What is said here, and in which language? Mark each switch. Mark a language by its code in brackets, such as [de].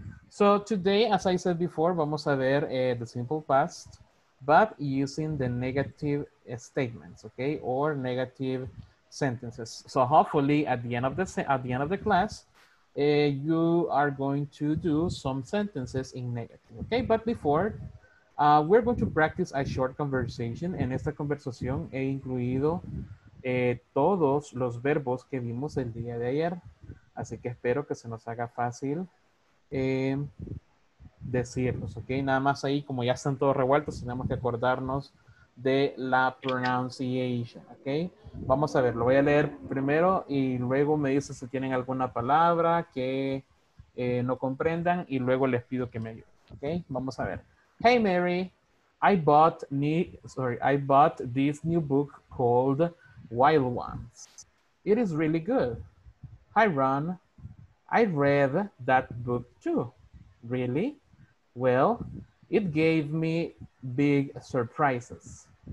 [en] So today, as I said before, [es] vamos a ver [en] the simple past, but using the negative statements, okay, or negative sentences. So hopefully, at the end of the class, you are going to do some sentences in negative, okay. But before, we're going to practice a short conversation. [es] En esta conversación he incluido todos los verbos que vimos el día de ayer, así que espero que se nos haga fácil. Decirlos, ok, nada más ahí como ya están todos revueltos, tenemos que acordarnos de la pronunciation, ok, vamos a ver, lo voy a leer primero y luego me dice si tienen alguna palabra que no comprendan y luego les pido que me ayuden. Okay, vamos a ver. [en] Hey Mary, I bought this new book called Wild Ones. It is really good. Hi Ron, I read that book too. Really? Well, it gave me big surprises.